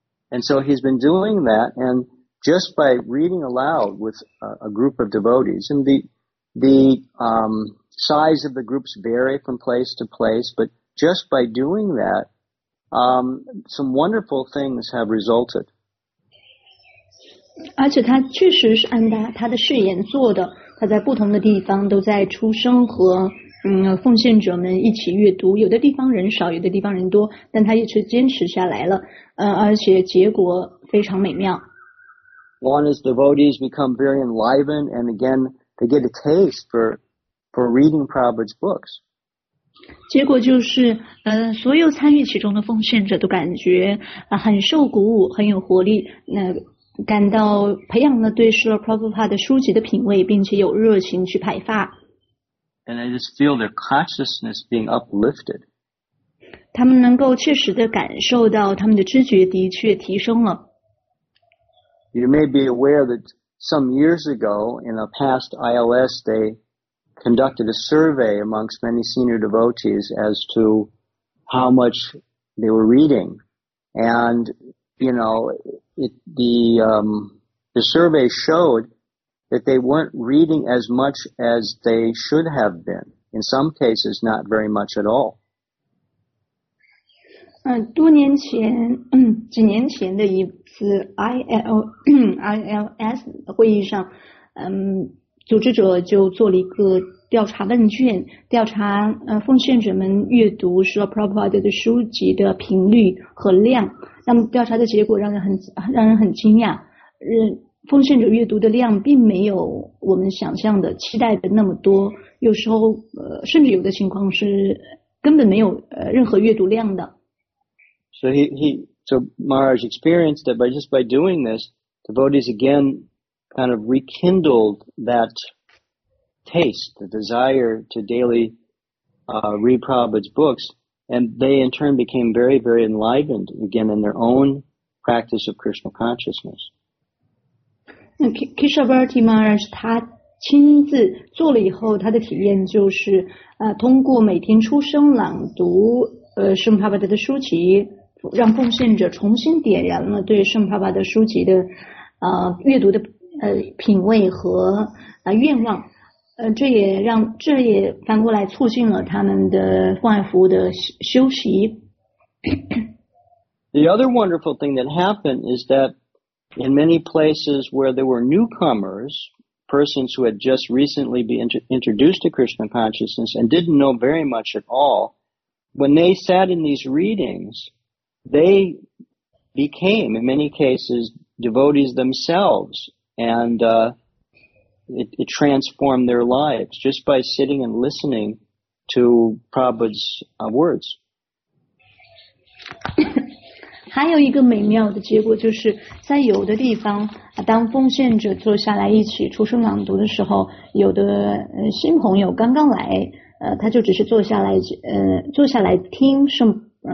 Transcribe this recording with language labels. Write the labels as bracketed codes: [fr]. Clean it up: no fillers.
[en] And so he's been doing that, and just by reading aloud with a group of devotees, and the size of the groups vary from place to place, but just by doing that, some wonderful things have resulted. [zh] 而且他确实是按他的誓言做的，他在不同的地方都在出声和奉献者们一起阅读，有的地方人少，有的地方人多，但他一直坚持下来了，而且结果非常美妙。 [en] One is devotees become very enlivened, and again, they get a taste for reading Prabhupada's books. [zh] 结果就是，所有参与其中的奉献者都感觉很受鼓舞，很有活力，感到培养了对Srila Prabhupada的书籍的品味，并且有热情去派发。 [en] And I just feel their consciousness being uplifted. [zh] 他们能够确实地感受到他们的知觉的确提升了。 [en] You may be aware that some years ago, in a past ILS, they conducted a survey amongst many senior devotees as to how much they were reading. And, you know, the survey showed that they weren't reading as much as they should have been. In some cases, not very much at all. [zh] 多年前，几年前的一次 ILS 会议上，组织者就做了一个调查问卷，调查奉献者们阅读Srila Prabhupada的书籍的频率和量。那么调查的结果让人很惊讶，奉献者阅读的量并没有我们想象的期待的那么多，有时候甚至有的情况是根本没有任何阅读量的。 [en] So so Maharaj experienced that by just by doing this, devotees again kind of rekindled that taste, the desire to daily read Prabhupada's books, and they in turn became very, very enlivened again in their own practice of Krishna consciousness. [zh] Kishavarti Maharaj, 他亲自做了以后，他的体验就是通过每天出声朗读圣帕巴达的书籍。让奉献者重新点燃了对圣帕巴的书籍的阅读的品味和愿望，这也反过来促进了他们的换服的修习。 [en] The other wonderful thing that happened is that in many places where there were newcomers, persons who had just recently been introduced to Krishna consciousness and didn't know very much at all, when they sat in these readings,They became, in many cases, devotees themselves, and it transformed their lives just by sitting and listening to Prabhupada's words. [zh] 还有一个美妙的结果就是在有的地方，当奉献者坐下来一起出声朗读的时候，有的新朋友刚刚来，他就只是坐下来听圣。